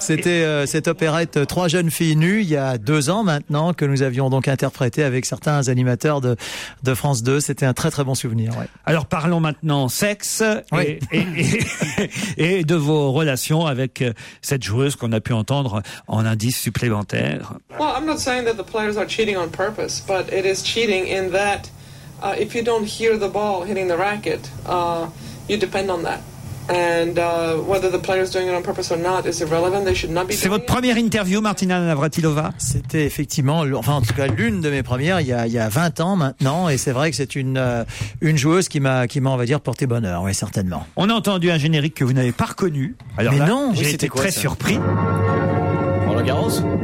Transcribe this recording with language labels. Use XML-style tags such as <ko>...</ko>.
<fr>C'était cette opérette Trois jeunes filles nues, il y a deux ans maintenant, que nous avions donc interprété avec certains animateurs de France 2. C'était un très très bon souvenir, ouais. Alors, parlons maintenant sexe. Oui. Et de vos relations avec cette joueuse qu'on a pu entendre en indice supplémentaire.</fr> <en>Well, I'm not saying that the players are cheating on purpose, but it is cheating in that if you don't hear the ball hitting the racket, you depend on that. And whether the player is doing it on purpose or not is irrelevant. They should not be.</en> <fr>C'est votre première interview, Martina Navratilova? C'était effectivement, enfin en tout cas l'une de mes premières il y a 20 ans maintenant, et c'est vrai que c'est une joueuse qui m'a on va dire porté bonheur, oui certainement. On a entendu un générique que vous n'avez pas reconnu. Alors mais là, non, j'ai été quoi, très ça surpris. Roland Garros.</fr>